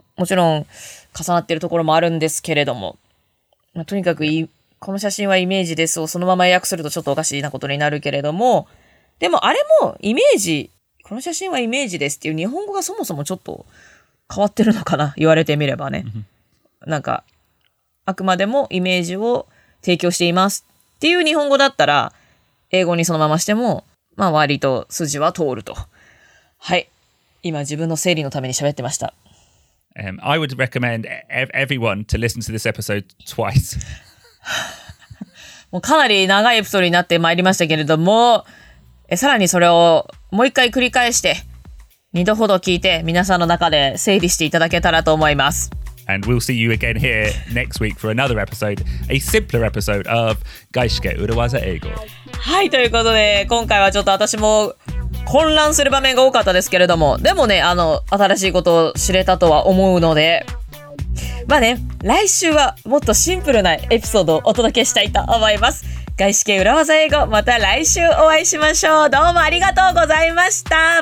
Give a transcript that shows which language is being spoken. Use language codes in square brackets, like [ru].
[ja] もちろん重なっているところもあるんですけれども、まあ、とにかくこの写真はイメージですをそのまま訳するとちょっとおかしいなことになるけれども、でもあれもイメージ、この写真はイメージですっていう日本語がそもそもちょっと変わってるのかな言われてみればね、なんかあくまでもイメージを提供していますっていう日本語だったら英語にそのまましてもまあ割と筋は通ると。はい、今自分の整理のために喋ってました。 [en] I would recommend everyone to listen to this episode twice. [ja] もうかなり長いエピソードになってまいりましたけれども、さらにそれをもう一回繰り返して。二度ほど聞いて皆さんの中で整理していただけたらと思います。 [en] And we'll see you again here next week for another episode, a simpler episode of 外資系裏技英語。 [ja] はい、ということで今回はちょっと私も混乱する場面が多かったですけれども、でもね、新しいことを知れたとは思うので、まあね、来週はもっとシンプルなエピソードをお届けしたいと思います。外資系裏技英語、また来週お会いしましょう。どうもありがとうございました。